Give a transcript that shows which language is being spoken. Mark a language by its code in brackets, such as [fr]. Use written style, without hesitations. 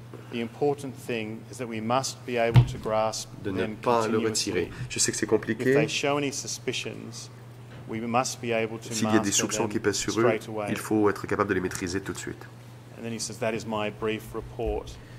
[en] The important thing is that we must be able to grasp [fr] de ne pas le retirer. Je sais que c'est compliqué. [en] If they show any suspicions, we must be able to [fr] s'il y a des soupçons qui pèsent sur eux, il faut être capable de les maîtriser tout de suite. [en] And then he says, that is my brief report.